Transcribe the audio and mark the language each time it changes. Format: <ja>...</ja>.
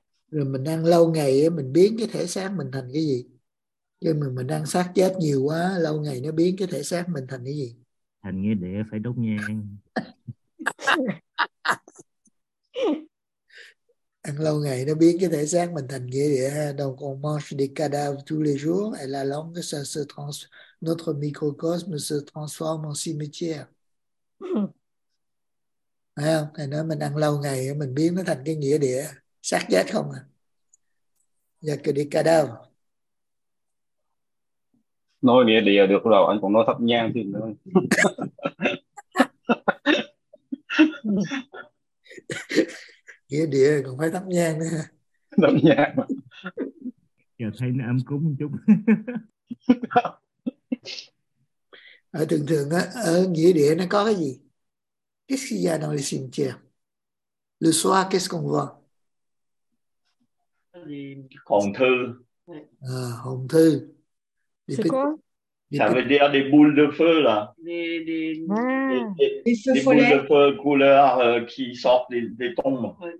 <vi>Rồi mình ăn lâu ngày mình biến cái thể xác mình thành cái gì? Nhưng mà mình ăn xác chết nhiều quá, lâu ngày nó biến cái thể xác mình thành cái gì? Thành nghĩa địa phải đốt nhang. Ăn lâu ngày nó biến cái thể xác mình thành nghĩa địa ha.</vi> <fr>Donc on mange des cadavres tous les jours et la langue ça se trans notre microcosme se transforme en cimetière.</fr> <vi>Thấy không? Thầy nói mình ăn lâu ngày mình biến nó thành cái nghĩa địa xác chết không à. Và cái đi cadavre. Nói nghĩa địa được rồi, anh còn nói thấp nhang thêm nữa. Nghĩa địa còn phải thắp nhang nữa. Thắp nhang mà. Giờ thấy nó âm cúng một chút. Ở thường thường á, ở nghĩa địa nó có cái gì?</vi> <fr>Qu'est-ce qu'il y a dans les cimetières? Le soir, qu'est-ce qu'on voit?</fr> <vi>Hồn thư. À, hồn thư.</vi> <fr>C'est quoi? Ça veut dire des boules de feu, là. Des boules de feu couleur qui sortent des tombes.</fr>